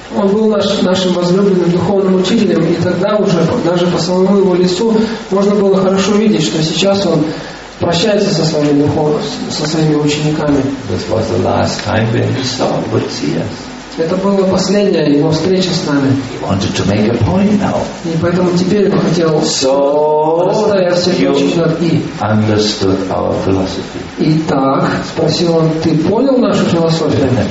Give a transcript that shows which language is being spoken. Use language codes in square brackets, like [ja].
[ru] Он был нашим возлюбленным духовным учителем, и тогда уже даже по самому его лицу можно было хорошо видеть, что сейчас он прощается со своими учениками. [en] This was the last time when he saw Vatsyas. [ru] Это была последняя его встреча с нами. [en] He wanted to make a point now. [ru] И поэтому теперь он хотел [en] understood our philosophy. [ru] Итак, спросил он, ты понял нашу философию?